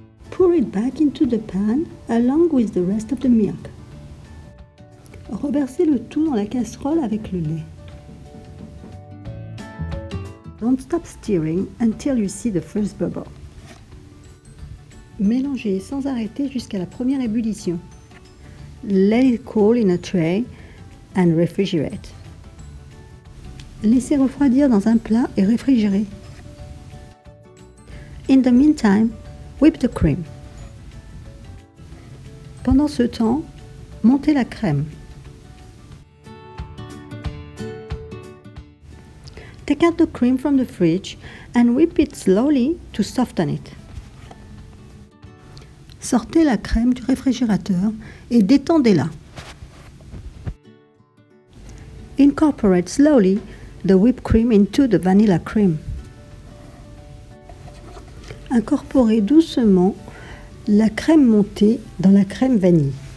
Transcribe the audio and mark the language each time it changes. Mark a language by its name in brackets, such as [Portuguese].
[English] pour it back into the pan along with the rest of the milk. [French] Reversez le tout dans la casserole avec le lait. [English] Don't stop stirring until you see the first bubble. [French] Mélangez sans arrêter jusqu'à la première ébullition. [English] Let it cool in a tray and refrigerate. [French] Laissez refroidir dans un plat et réfrigérez. [English] In the meantime, whip the cream. [French] Pendant ce temps, montez la crème. [English] Take out the cream from the fridge and whip it slowly to soften it. [French] Sortez la crème du réfrigérateur et détendez-la. [English] Incorporate slowly the whipped cream into the vanilla cream. [French] Incorporez doucement la crème montée dans la crème vanille.